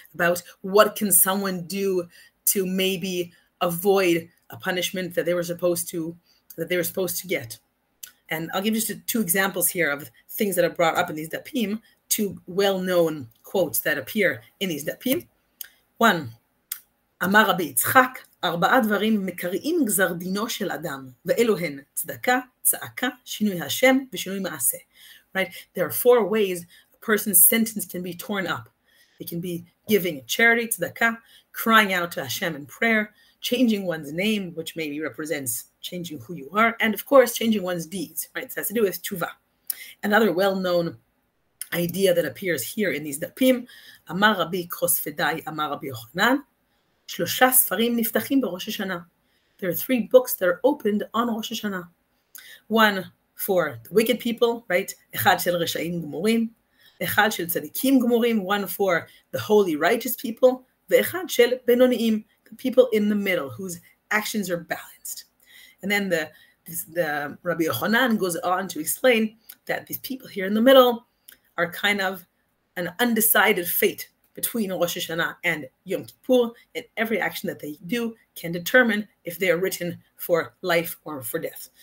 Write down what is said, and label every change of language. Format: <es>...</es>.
<en>About what can someone do to maybe avoid a punishment that they were supposed to get. And I'll give just two examples here of things that are brought up in these dapim, two well-known quotes that appear in these dapim.</en> <he>One, Amar Rabbi Yitzchak, ארבעה דברים מקראים גזר דינו של אדם, ואלו הן צדקה, צעקה, שינוי השם ושינוי מעשה.</he> <en>Right? There are four ways a person's sentence can be torn up. It can be giving charity, tzedakah, crying out to Hashem in prayer, changing one's name, which maybe represents changing who you are, and of course, changing one's deeds. Right? So that's to do with tshuva. Another well-known idea that appears here in these dapim,</en> <he>Amar Rabbi Kosfedai, Amar Rabbi Yochanan, שלושה ספרים נפתחים בראש השנה.</he> <en>There are three books that are opened on ראש השנה. One for the wicked people, right?</en> <he>אחד של רשעים גמורים, אחד של צדיקים גמורים,</he> <en>one for the holy righteous people,</en> <he>ואחד של בינוניים,</he> <en>the people in the middle whose actions are balanced. And then the Rabbi Yochanan goes on to explain that these people here in the middle are kind of an undecided fate between Rosh Hashanah and Yom Kippur, and every action that they do can determine if they are written for life or for death.</en>